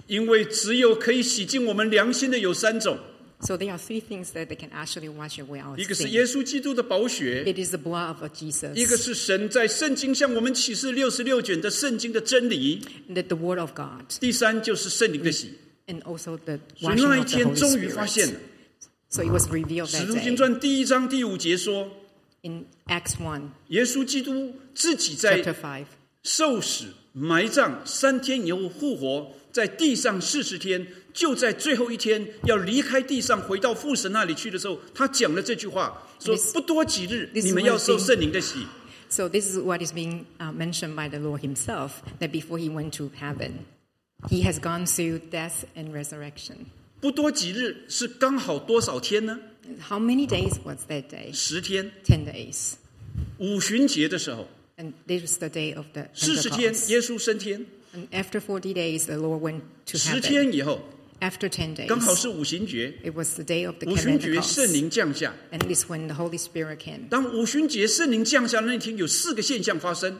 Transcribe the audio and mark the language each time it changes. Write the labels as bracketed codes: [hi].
[zh] 因为只有可以洗净我们良心的有三种。 [en] So there are three things that they can actually wash away our sin. [zh] 一个是耶稣基督的宝血。 [en] It is the blood of Jesus. [zh] 一个是神在圣经向我们启示六十六卷的圣经的真理。 [en] And the Word of God. [zh] 第三就是圣灵的洗。 [en] And also the washing of the Holy Spirit. [zh] 所以那一天终于发现了。 [en] So it was revealed that day. [zh] 使徒行传第一章第五节说。 [en] In Acts 1. [zh] 耶稣基督自己在受死。埋葬三天以后复活，在地上四十天，就在最后一天要离开地上回到父神那里去的时候，他讲了这句话，说不多几日你们要受圣灵的洗。 [en] So this is what is being mentioned by the Lord himself, that before he went to heaven he has gone through death and resurrection. [zh] 不多几日是刚好多少天呢？ [en] How many days was that day? [zh] 十天。 [en] 10 days. [zh] 五旬节的时候。 [en] And this was the day of the Pentecost. [zh] 四十天，耶稣升天。 [en] And after 40 days, the Lord went to heaven. [zh] 十天以后。 [en] After 10 days. [zh] 刚好是五旬节。 [en] It was the day of the [zh] Pentecost. 五旬节圣灵降下。 [en] And this is when the Holy Spirit came. [zh] 当五旬节圣灵降下那天，有四个现象发生。